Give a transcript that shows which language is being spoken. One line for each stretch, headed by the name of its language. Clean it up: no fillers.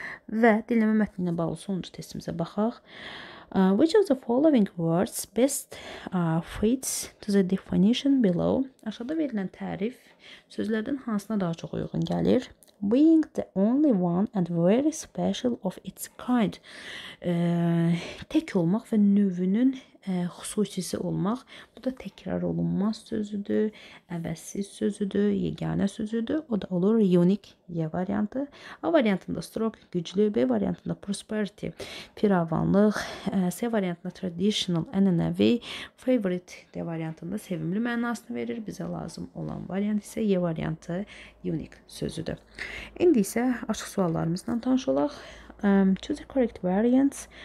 Azerbaijani: Və dinləmə mətninə bağlı sonuncu testimizə baxaq.
English: Which of the following words best fits to the definition below?
Azerbaijani: Aşağıda verilən tərif sözlərdən hansına daha çox uyğun gəlir?
English: Being the only one and very special of its kind.
Azerbaijani: Tək olmaq və növünün xüsusisi olmaq. Bu da təkrar olunmaz sözüdür, əvəzsiz sözüdür, yeganə sözüdür. O da olur unique, Y variantı. A variantında strong, güclü. B variantında prosperity, firavanlıq. C variantında traditional, ənənəvi. Favorite, D variantında sevimli mənasını verir. Bizə lazım olan variant isə Y variantı unique sözüdür. İndi isə açıq suallarımızla tanış olaq.
English: Choose the correct variants.